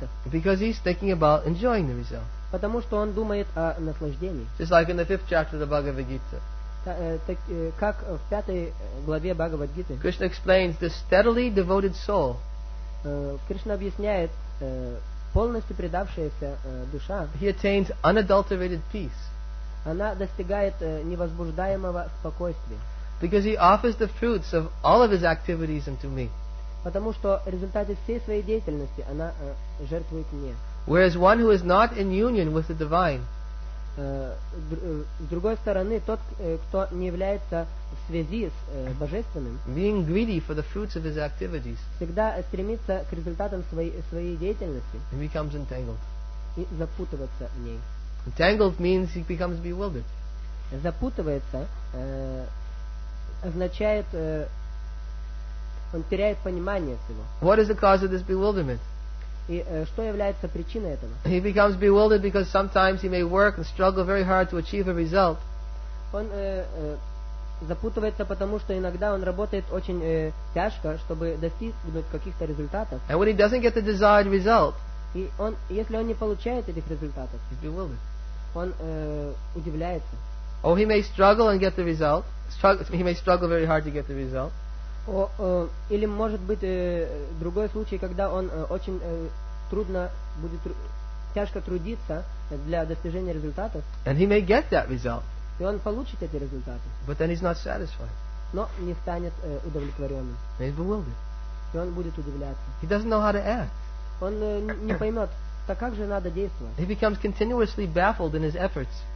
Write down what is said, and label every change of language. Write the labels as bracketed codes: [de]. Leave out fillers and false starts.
[en] Because he's thinking about enjoying the result. [ru] Потому что он думает о наслаждении. [en] Just like in the fifth chapter of the Bhagavad Gita. [ru] Как в пятой главе Бхагавад Гиты. [en] Krishna explains the steadily devoted soul. [ru] Кришна объясняет полностью предавшаяся душа. [en] He attains unadulterated peace. [ru] Она достигает невозбуждаемого спокойствия. [en] Because he offers the fruits of all of his activities unto me. [ru] Потому что в результате всей своей деятельности она жертвует мне. [en] Whereas one who is not in union with the divine. [ru] С другой стороны, тот, кто не является в связи с божественным, [en] being greedy for the fruits of his activities. [ru] Всегда стремится к результатам своей деятельности. [en] He becomes entangled. [ru] И запутывается в ней. [en] Entangled means he becomes bewildered. [ru] Запутывается означает он теряет понимание всего. [en] What is the cause of this bewilderment? [ru] И что является причиной этого? [en] He becomes bewildered because sometimes he may work and struggle very hard to achieve a result. [ru] Он запутывается, потому что иногда он работает очень тяжко, чтобы достигнуть каких-то результатов. [en] And when he doesn't get the desired result, [ru] и он, если он не получает этих результатов, [en] he's bewildered. [ru] Он удивляется. [en] Or he may struggle and get the result. He may struggle very hard to get the result. [ru] Или может быть другой случай, когда он очень трудно будет тяжко трудиться для достижения результатов. [en] And he may get that result. [ru] И он получит эти результаты. [en] But then he's not satisfied. [ru] Но не станет удовлетворенным. [en] And he's bewildered. [ru] И он будет удивляться. [en] He doesn't know how to act. [ru] Он не поймет, так как же надо действовать. [en] He becomes continuously baffled in his efforts.